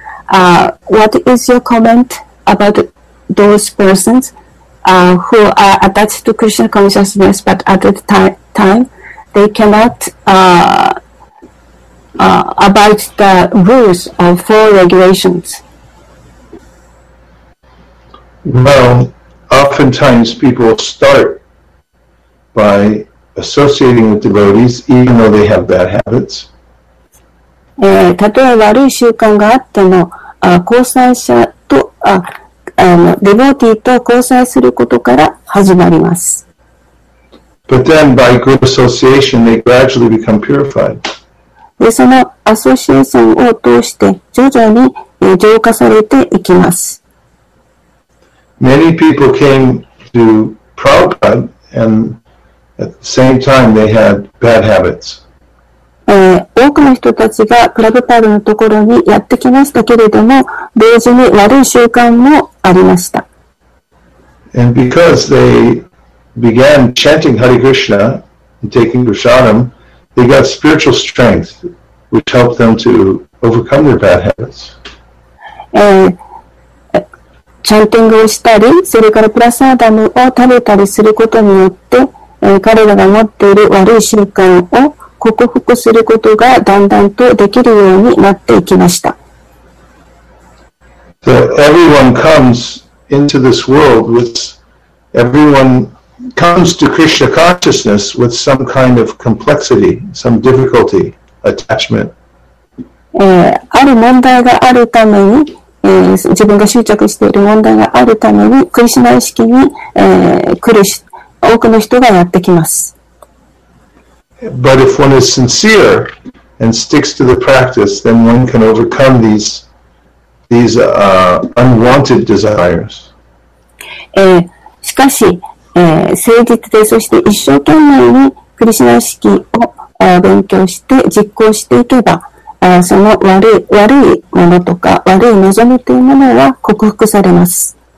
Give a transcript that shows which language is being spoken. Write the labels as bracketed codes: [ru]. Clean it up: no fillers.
[en] What is your comment about those persons who are attached to Krishna consciousness, but at the time they cannot about the rules of four regulations? Well, oftentimes people start by associating with devotees, even though they have bad habits. [ja] たとえ悪い習慣があっても、交際者と、デボティと交際することから始まります。 [en] But then by good association, they gradually become purified. [ja] で、そのアソシエーションを通して徐々に浄化されていきます。 [en] Many people came to Prabhupada and at the same time they had bad habits. [ja] 多くの人たちがプラブパールのところにやってきましたけれども、同時に悪い習慣もありました。 [en] And because they began chanting Hare Krishna and taking prasadam, they got spiritual strength, which helped them to overcome their bad habits. [ja] Chanting をしたり、それからプラサダムを食べたりすることによって、彼らが持っている悪い習慣を克服することがだんだんとできるようになっていきました。 [en] So everyone comes into this world with comes to Krishna consciousness with some kind of complexity, some difficulty, attachment, [ja] ある問題があるために、自分が執着している問題があるために、クリシュナ意識に、来る多くの人がやってきます。 [en] But if one is sincere and sticks to the practice, then one can overcome these unwanted desires. [ja] しかし、誠実で、そして一生懸命にクリシュナ意識を勉強して実行していけば、その悪いものとか悪い望みというものは克服されます。